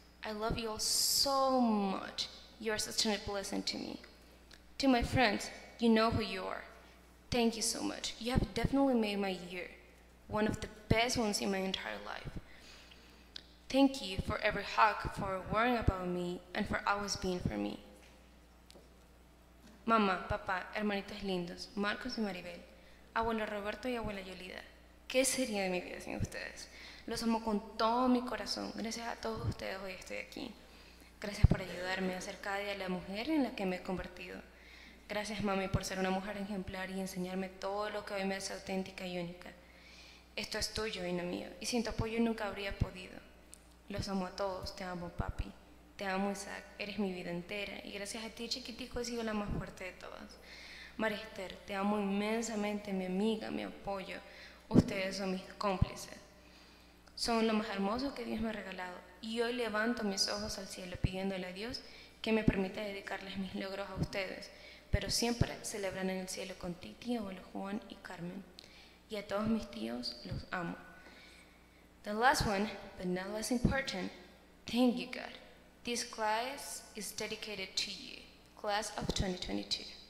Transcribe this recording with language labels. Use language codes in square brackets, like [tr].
[en] I love you all so much. You are such a blessing to me. To my friends, you know who you are. Thank you so much. You have definitely made my year one of the best ones in my entire life. Thank you for every hug, for worrying about me, and for always being for me. [es] Mama, papa, hermanitos lindos, Marcos y Maribel, abuelo Roberto y abuela Yolida, ¿qué sería de mi vida sin ustedes? Los amo con todo mi corazón. Gracias a todos ustedes hoy estoy aquí. Gracias por ayudarme a ser cada día la mujer en la que me he convertido. Gracias, mami, por ser una mujer ejemplar y enseñarme todo lo que hoy me hace auténtica y única. Esto es tuyo y no mío, y sin tu apoyo nunca habría podido. Los amo a todos, te amo papi, te amo Isaac, eres mi vida entera y gracias a ti chiquitico he sido la más fuerte de todas. Marister, te amo inmensamente, mi amiga, mi apoyo, ustedes son mis cómplices. Son lo más hermoso que Dios me ha regalado y hoy levanto mis ojos al cielo pidiéndole a Dios que me permita dedicarles mis logros a ustedes, pero siempre celebran en el cielo con Titi, abuelo Juan y Carmen. Y a todos mis tíos los amo. [en] The last one, but not less important, thank you, God. This class is dedicated to you, class of 2022.